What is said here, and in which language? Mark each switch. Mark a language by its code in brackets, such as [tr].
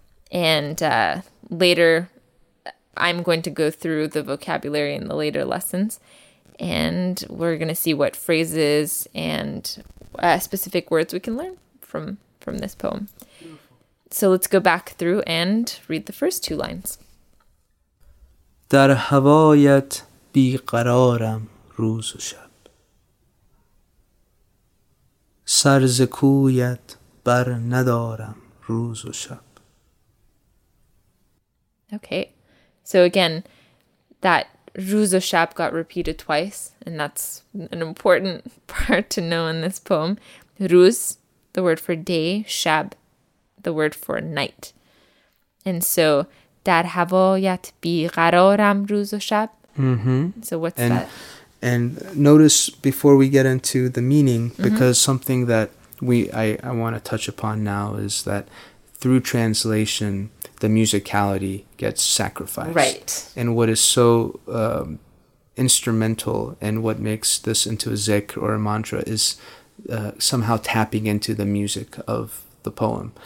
[en] And later, I'm going to go through the vocabulary in the later lessons. And we're going to see what phrases and specific words we can learn from this poem. Beautiful. So let's go back through and read the first two lines. [fa] Dar havayat بی قرارم روز و شب سرز کویت بر ندارم روز و شب. [en] Okay, so again, that روز و شب got repeated twice, and that's an important part to know in this poem. روز, the word for day, شب, the word for night. And so, [fa] در هوایت بی قرارم روز و شب. [en] Mm-hmm. So what's that? And notice before we get into the meaning, because mm-hmm. something that I want to touch upon now is that through translation, the musicality gets sacrificed. Right. And what is so instrumental and what makes this into a zik or a mantra is somehow tapping into the music of the poem.